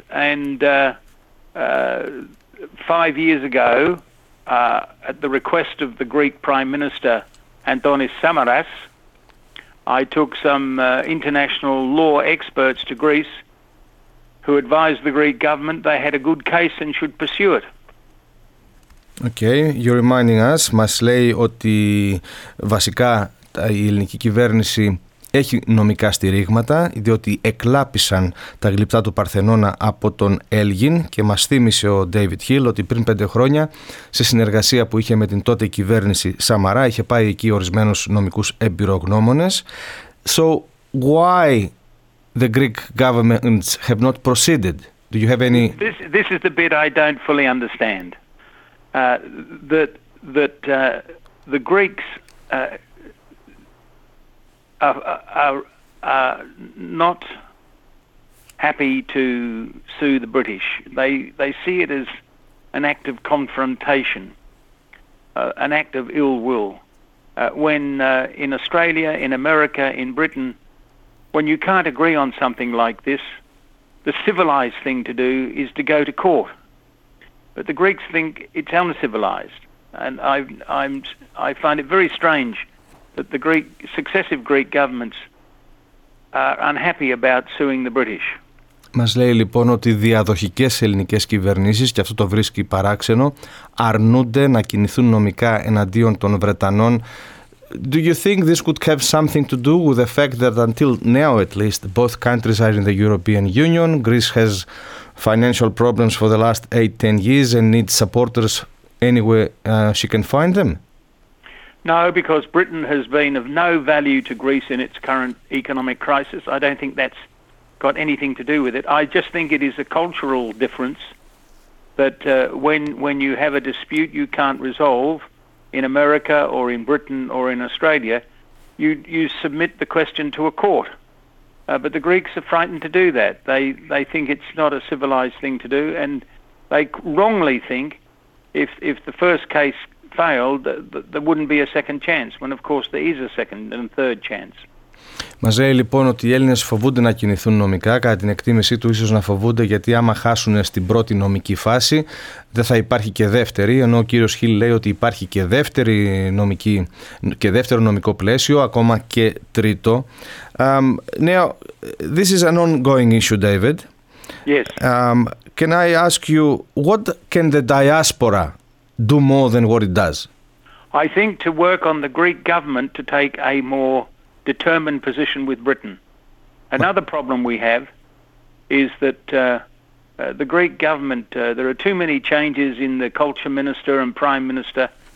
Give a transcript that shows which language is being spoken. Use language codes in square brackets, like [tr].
[en] And 5 years ago, at the request of the Greek Prime Minister, Antonis Samaras, I took some international law experts to Greece who advised the Greek government they had a good case and should pursue it. Okay, you're reminding us, [el] μας λέει ότι βασικά η ελληνική κυβέρνηση έχει νομικά στηρίγματα, διότι εκλάπησαν τα γλυπτά του Παρθενώνα από τον Έλγιν και μας θύμισε ο David Hill ότι πριν 5 χρόνια, σε συνεργασία που είχε με την τότε κυβέρνηση Σαμαρά, είχε πάει εκεί ορισμένους νομικούς εμπειρογνώμονες. [en] So, why the Greek governments have not proceeded? Do you have any... This is the bit I don't fully understand. The Greeks are not happy to sue the British. They see it as an act of confrontation, an act of ill will. When in Australia, in America, in Britain, when you can't agree on something like this, the civilized thing to do is to go to court. But the Greeks think it's uncivilized, and I find it very strange that the successive Greek governments are unhappy about suing the British. [el] Μας λέει λοιπόν ότι διαδοχικές ελληνικές κυβερνήσεις, και αυτό το βρίσκει παράξενο, αρνούνται να κινηθούν νομικά εναντίον των Βρετανών. [en] Do you think this could have something to do with the fact that until now, at least, both countries are in the European Union? Greece has financial problems for the last 8-10 years and needs supporters anywhere she can find them? No, because Britain has been of no value to Greece in its current economic crisis. I don't think that's got anything to do with it. I just think it is a cultural difference that when you have a dispute you can't resolve in America or in Britain or in Australia, you submit the question to a court. But the Greeks are frightened to do that. They think it's not a civilized thing to do, and they wrongly think if the first case failed, there wouldn't be a second chance, when of course there is a second and third chance. [el] Μας λέει λοιπόν ότι οι Έλληνες φοβούνται να κινηθούν νομικά, κατά την εκτίμησή του ίσως να φοβούνται, γιατί άμα χάσουν στην πρώτη νομική φάση δεν θα υπάρχει και δεύτερη, ενώ ο κύριος Χιλ λέει ότι υπάρχει και δεύτερη νομική, και δεύτερο νομικό πλαίσιο, ακόμα και τρίτο. [en] Now, this is an ongoing issue, David. Yes. Can I ask you, what can the diaspora do more than what it does? I think to work on the Greek government to take a more determined position with Britain. Another problem we have is that the Greek government, there are too many changes in the culture minister and prime minister.